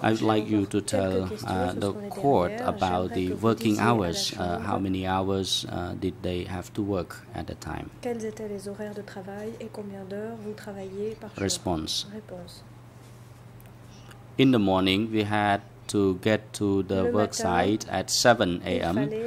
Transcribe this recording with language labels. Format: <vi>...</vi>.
<en>I would like you to tell the court about the working hours. How many hours did they have to work at the time?</en> <fr>Quels étaient les horaires de travail et combien d'heures vous travailliez par jour?</fr> <en>Response.</en> <fr>Réponse.</fr> <en>In the morning, we had to get to the work site at 7 a.m.</en>